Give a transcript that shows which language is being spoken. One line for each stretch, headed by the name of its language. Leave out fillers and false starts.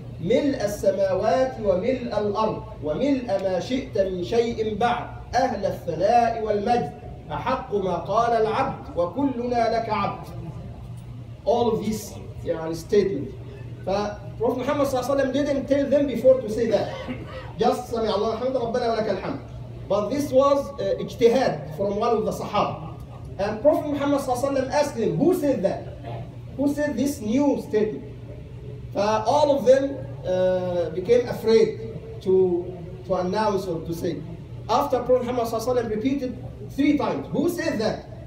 Arabic: ملء السماوات وملء الأرض وملء ما شئت من شيء بعد أهل الثناء والمجد أحق ما قال العبد وكلنا لك عبد.
English: All of this يعني statement.
Arabic: فالبروف محمد صلى الله عليه وسلم
English: didn't tell them before to say that.
Arabic: Just سمع الله الحمد ربنا ولك الحمد.
English: But this was اجتهاد from one of the صحابة. And Prof. محمد
Arabic: صلى الله عليه وسلم
English: asked them, who said that? Who said this new statement? All of them became afraid to announce or to say. After Prophet Muhammad sallallahu alaihi wasallam repeated three times, who said that?